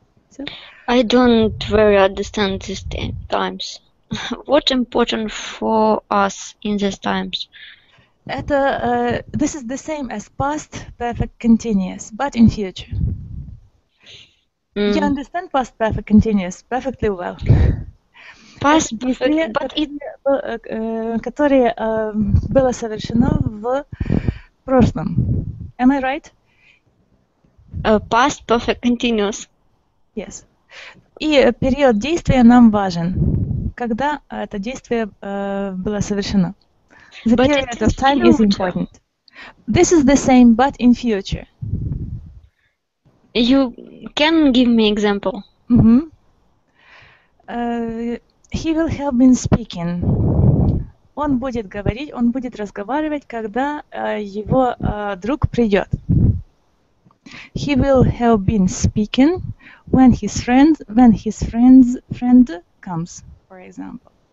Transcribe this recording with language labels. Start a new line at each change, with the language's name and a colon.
English: So? I don't very understand these times. What important for us in these times? Это, this is the same as past perfect continuous, but in future. Mm. You understand past perfect continuous perfectly well. Past perfect, but it...
Russian: Которое было совершено в прошлом.
English: Am I right? Past perfect continuous. Yes.
Russian: И период действия нам важен. Когда это действие было совершено.
English: The but period of time is important. This is the same, but in future. You can give me example. Mm-hmm. He will have been speaking.
Russian: Он будет говорить, он будет разговаривать, когда его друг придет.
English: He will have been speaking when his friend comes, for example.